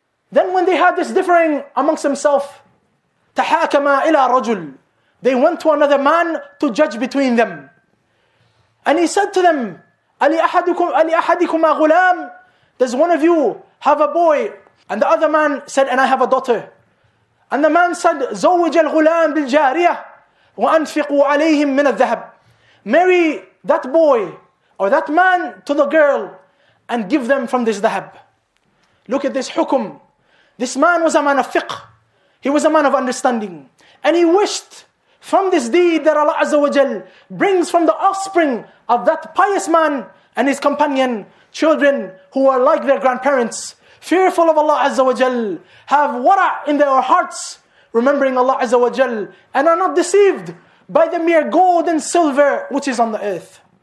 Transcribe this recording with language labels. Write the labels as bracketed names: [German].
[English] Then when they had this differing amongst themselves, [Arabic] تحاكما إلى رجل, [English] they went to another man to judge between them. And he said to them, [Arabic] ألي أحدكما غلام? [English] Does one of you have a boy? And the other man said, and I have a daughter. And the man said, [Arabic] زوج الغلام بالجارية وأنفقوا عليهم من الذهب. [English] Marry that boy or that man to the girl and give them from this ذهب. Look at this hukum. This man was a man of fiqh. He was a man of understanding. And he wished from this deed that Allah Azza wa Jal brings from the offspring of that pious man and his companion, children who are like their grandparents, fearful of Allah Azza wa Jal, have wara in their hearts, remembering Allah Azza wa Jal, and are not deceived by the mere gold and silver which is on the earth.